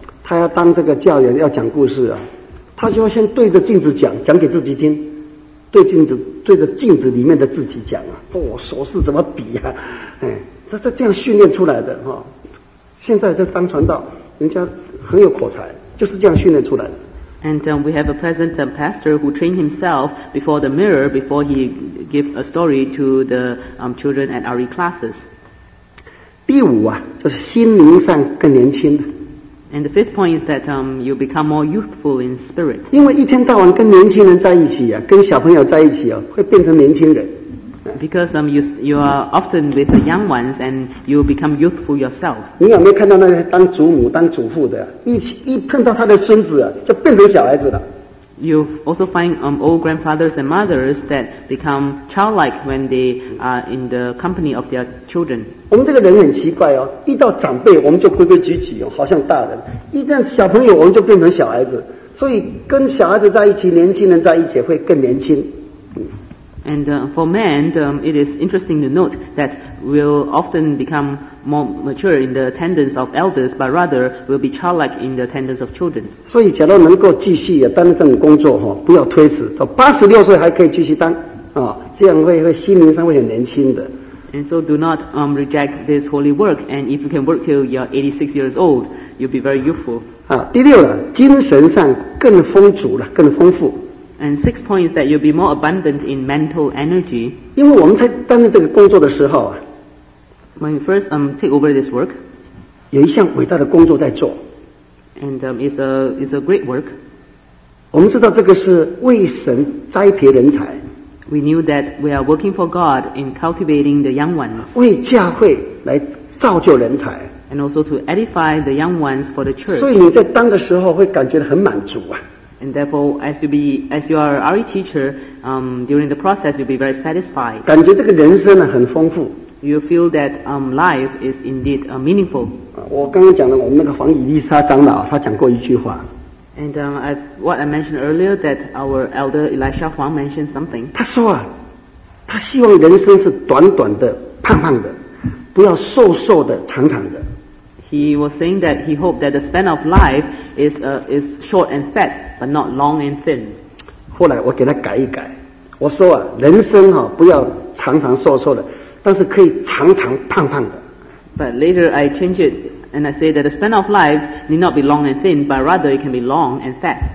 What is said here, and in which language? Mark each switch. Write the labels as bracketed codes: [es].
[zh] 他要当这个教员，要讲故事啊，他就要先对着镜子讲，讲给自己听，对着镜子里面的自己讲啊，哦，手势怎么比啊，哎，这样训练出来的哈、现在在当传道，人家很有口才，就是这样训练出来的。 [en] And we have a present pastor who trained himself before the mirror before he give a story to the children at RE classes. [zh] 第五啊，就是心灵上更年轻。 [en] And the fifth point is that you become more youthful in spirit. [zh] 因为一天到晚跟年轻人在一起啊，跟小朋友在一起啊，会变成年轻人。 [en] Because you are often with the young ones and you become youthful yourself. [zh] 你有没有看到那些当祖母、当祖父的，一碰到他的孙子啊，就变成小孩子了？ [en] you also find old grandfathers and mothers that become childlike when they are in the company of their children. [zh] 我们这个人很奇怪哦，遇到长辈我们就规规矩矩哦，好像大人；遇到小朋友我们就变成小孩子。所以跟小孩子在一起，年轻人在一起会更年轻。 [en] And for men, it is interesting to note that we'll often become more mature in the tendency of elders, but rather will be childlike in the tendency of children. [zh] 所以假如能够继续担任这种工作，不要推迟，到86岁还可以继续当，这样会心灵上会很年轻的。 [en] And so do not reject this holy work, and if you can work till you're 86 years old, you'll be very youthful. [zh] 第六呢，精神上更丰足了，更丰富。 [en] And sixth point is that you'll be more abundant in mental energy. [zh] 因为我们在担任这个工作的时候啊， [en] when you first take over this work, [zh] 有一项伟大的工作在做。 [en] And it's a great work. [zh] 我们知道这个是为神栽培人才。 [en] We knew that we are working for God in cultivating the young ones. [zh] 为教会来造就人才。 [en] And also to edify the young ones for the church. [zh] 所以你在当的时候会感觉很满足啊。 [en] And therefore, as you are an RE teacher, during the process, you'll be very satisfied. [zh] 感觉这个人生呢很丰富。 [en] You feel that life is indeed meaningful. [zh] 我刚刚讲了我们那个黄以丽莎长老，他讲过一句话。 [en] And what I mentioned earlier, that our elder Elisha Huang mentioned something. [zh] 他说啊，他希望人生是短短的、胖胖的，不要瘦瘦的、长长的。 [en] He was saying that he hoped that the span of life is short and fat, but not long and thin. [zh] 后来我给他改一改，我说啊，人生哈不要长长瘦瘦的，但是可以长长胖胖的。 [en] But later I changed it and I say that the span of life need not be long and thin, but rather it can be long and fat.